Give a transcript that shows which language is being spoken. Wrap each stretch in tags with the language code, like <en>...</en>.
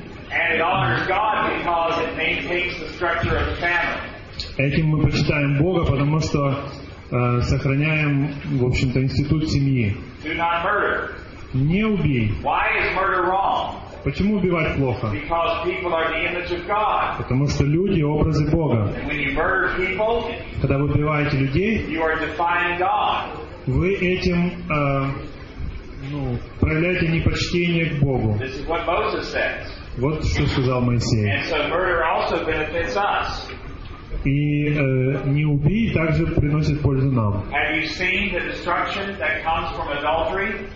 <en>And it honors God because it maintains the structure of the family.</en> <ru>Этим мы почитаем Бога, потому что сохраняем, в общем-то, институт семьи.</ru> <en>Do not murder.</en> <ru>Не убей.</ru> <en>Why is murder wrong?</en> <ru>Почему убивать плохо?</ru> <en>Because people are the image of God.</en> <ru>Потому что люди – образы Бога.</ru> <en>And when you murder people,</en> <ru>когда вы убиваете людей,</ru> <en>you are defying God.</en> <ru>Вы этим проявляете непочтение к Богу.</ru> <en>This is what Moses says.</en> <ru>Вот что сказал Моисей.</ru> <en>And so murder also benefits us.</en> <ru>И не убий также приносит пользу нам.</ru> <en>Have you seen the destruction that comes from adultery?</en>